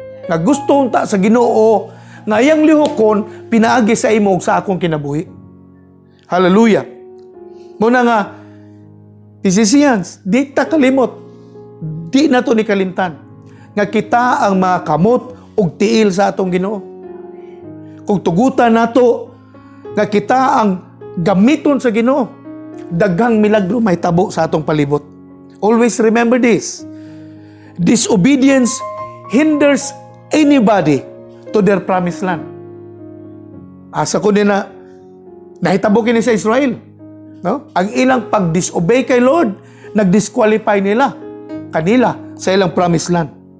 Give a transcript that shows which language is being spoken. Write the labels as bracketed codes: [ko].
[ceb] Nga gusto unta sa Ginoo, nga iyang lihokon, pinaagi sa imog sa akong kinabuhi. Hallelujah. Muna nga, physicians, di ta kalimot, di na to ni kalimtan, nga kita ang mga kamot ug tiil sa atong Ginoo. Kung tugutan nato nga kita ang gamiton sa Ginoo, daghang milagro may tabo sa atong palibot. [en] Always remember this. Disobedience hinders anybody to their promised land. [ceb] Asa ko din na nahitabo kini sa Israel, no? Ang ilang pag-disobey kay Lord, nag-disqualify nila kanila sa ilang promised land.